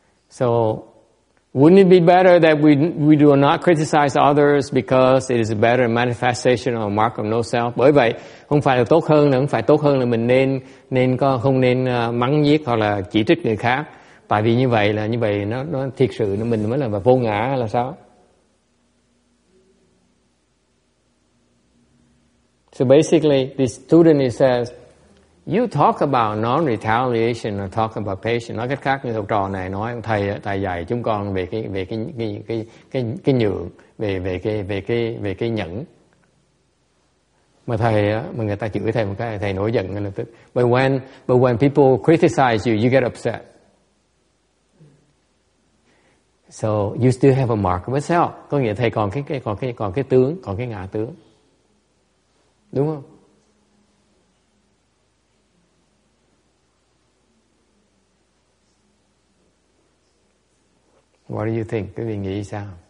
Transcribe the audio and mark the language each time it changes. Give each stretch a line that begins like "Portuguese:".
English: So wouldn't it be better that we do not criticize others because it is a better manifestation or mark of no self?
Vietnamese: Bởi vậy, không phải là tốt hơn nữa, không phải tốt hơn là mình nên có không nên mắng nhiếc hoặc là chỉ trích người khác. Tại vì như vậy nó thiệt sự nó mình mới là vô ngã là sao?
English: So basically, the student says, you talk about non-retaliation or talk about patience.
Vietnamese: Nói cách khác, như học trò này nói thầy tại dạy chúng con về cái nhượng, về cái nhẫn. Mà thầy mà người ta chửi thầy một cái thầy nổi giận ngay lập tức.
English: But when people criticize you, you get upset. So you still have a mark of yourself.
Vietnamese: Có nghĩa thầy còn cái tướng, còn cái ngã tướng. Đúng không?
English: What do you think?
Vietnamese: Quý vị nghĩ sao?